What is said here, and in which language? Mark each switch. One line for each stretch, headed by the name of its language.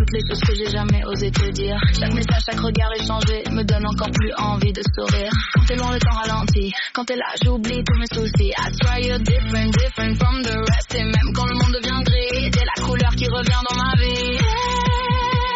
French: de ce que j'ai jamais osé te dire. Chaque message, chaque regard échangé me donne encore plus envie de sourire. Quand t'es loin, le temps ralentit. Quand t'es là, j'oublie tous mes soucis.
English: I try you're different, different from the rest.
French: Et même quand le monde devient gris, t'es la couleur qui revient dans ma vie.